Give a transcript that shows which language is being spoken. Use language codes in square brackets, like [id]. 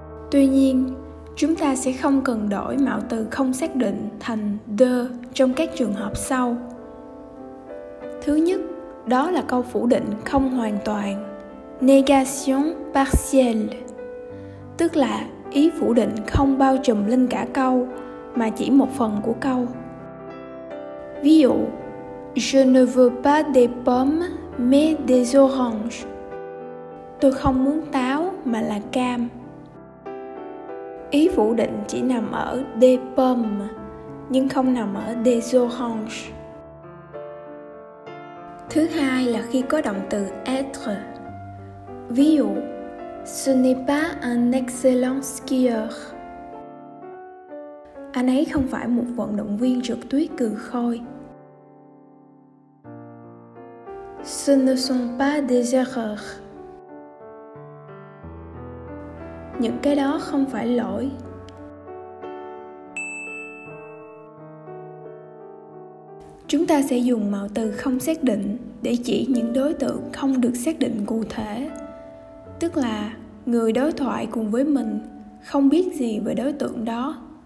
[vi] Tuy nhiên, chúng ta sẽ không cần đổi mạo từ không xác định thành de trong các trường hợp sau. Thứ nhất, đó là câu phủ định không hoàn toàn, [fr] négation partielle, [vi] tức là ý phủ định không bao trùm lên cả câu mà chỉ một phần của câu. Ví dụ, [fr] Je ne veux pas des pommes mais des oranges. [vi] Tôi không muốn táo mà là cam. Ý phủ định chỉ nằm ở des pommes, nhưng không nằm ở des oranges. Thứ hai là khi có động từ être. Ví dụ, [fr] Ce n'est pas un excellent skieur. [vi] Anh ấy không phải một vận động viên trượt tuyết cừ khôi. [fr] Ce ne sont pas des erreurs. [vi] Những cái đó không phải lỗi. Chúng ta sẽ dùng mạo từ không xác định để chỉ những đối tượng không được xác định cụ thể. Tức là người đối thoại cùng với mình không biết gì về đối tượng đó.